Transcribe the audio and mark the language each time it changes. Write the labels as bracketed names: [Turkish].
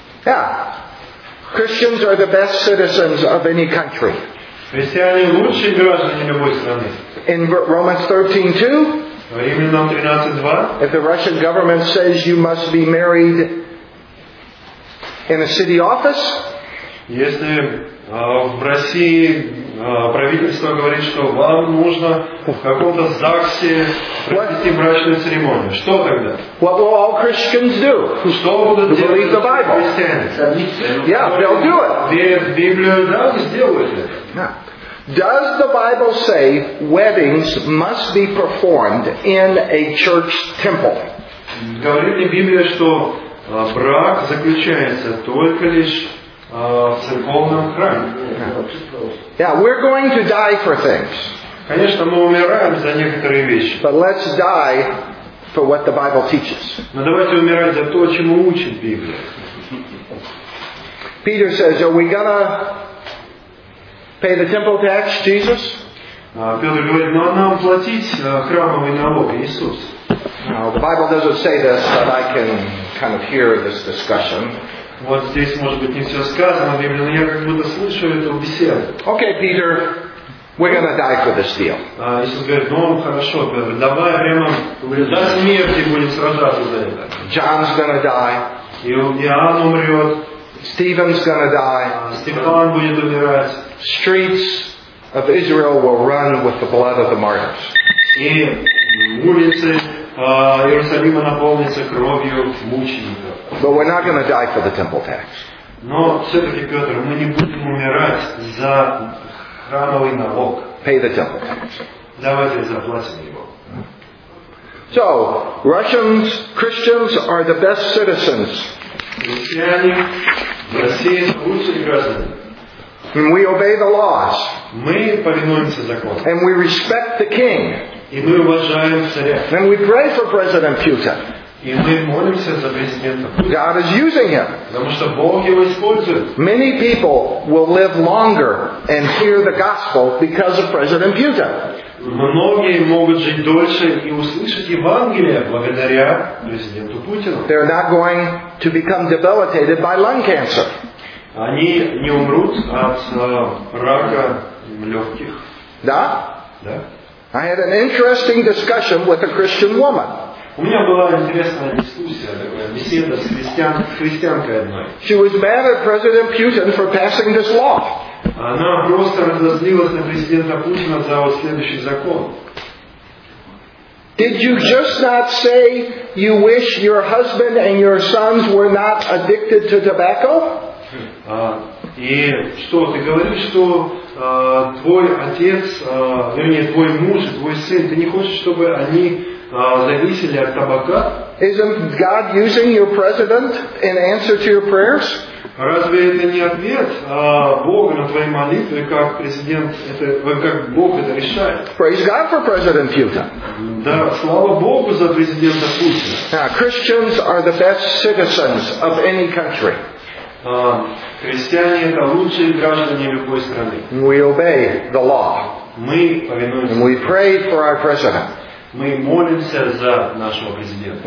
[English] Yeah. Christians are the best citizens of any country. [Russian] Христиане лучшие граждане любой страны. [English] In Romans 13:2. [Russian] Римлянам 13:2. [English] If the Russian government says you must be married in a city office. [Russian] Если в России правительство говорит, что вам нужно в каком-то ЗАГСе провести брачную церемонию. Что тогда? [English] What will all Christians do? [Russian] Что будут [English] to [Russian] делать [English] the Bible. [Russian] Христиане? [English] Yeah, they'll do it. [Russian] Верят в Библию, да, сделают это. [English] Does the Bible say weddings must be performed in a church temple? [Russian] Говорит ли Библия, что брак заключается только лишь [English] Yeah, we're going to die for things. [Russian] Конечно, мы умираем за некоторые вещи. [English] But let's die for what the Bible teaches. [Russian] Но давайте умирать за то, чему учит Библия. [English] Peter says, "Are we gonna pay the temple tax, Jesus? [Russian] Петр говорит, но нам платить храмовый налог, Иисус. [English] Now, the Bible doesn't say this, but I can kind of hear this discussion. [Russian] Вот здесь, может быть, не все сказано, но я как будто слышу эту беседу. [English] Okay, Peter, we're going to die for this deal. [Russian] Иисус говорит, ну хорошо, Петр, давай прямо до смерти будем сражаться за это. [English] John's going to die. [Russian] И Иоанн умрет. [English] Stephen's going to die. [Russian] Стефан будет умирать. [English] Streets of Israel will run with the blood of the martyrs. [Russian] И улицы Иерусалима наполнится кровью мучеников. [English] But we're not going to die for the temple tax. [Russian] Но все-таки, Петр, мы не будем умирать за храмовый налог. [English] Pay the temple tax. [Russian] Давайте заплатим его. [English] So, Russians, Christians are the best citizens. [Russian] Россияне, Россия лучшие граждане. [English] And we obey the laws. [Russian] Мы повинуемся закону. [English] And we respect the king. [Russian] И мы уважаем царя. [English] And we pray for President Putin. [Russian] И мы молимся за президента Путина. [English] God is using him. [Russian] Потому что Бог его использует. [English] Many people will live longer and hear the gospel because of President Putin. [Russian] Многие могут жить дольше и услышать Евангелие благодаря президенту Путину. [English] They're not going to become debilitated by lung cancer. [Russian] Они не умрут от рака легких. Да? Да. [English] I had an interesting discussion with a Christian woman. [Russian] У меня была интересная дискуссия, такая беседа с христианкой одной. [English] She was mad at President Putin for passing this law. [Russian] Она просто разозлилась на президента Путина за вот следующий закон. [English] Did you just not say you wish your husband and your sons were not addicted to tobacco? [Russian] И что, ты говоришь, что твой отец, вернее, твой муж, твой сын, ты не хочешь, чтобы они зависели от табака? [English] Isn't God using your president in answer to your prayers? [Russian] Разве это не ответ Бога на твои молитвы, как президент, как Бог это решает? [English] Praise God for President Putin. [Russian] Да, слава Богу за президента Путина. [English] Now, Christians are the best citizens of any country. [Russian] Христиане это лучшие граждане любой страны. [English] We obey the law. [Russian] Мы повинуемся. [English] And we pray for our president. [Russian] Мы молимся за нашего президента.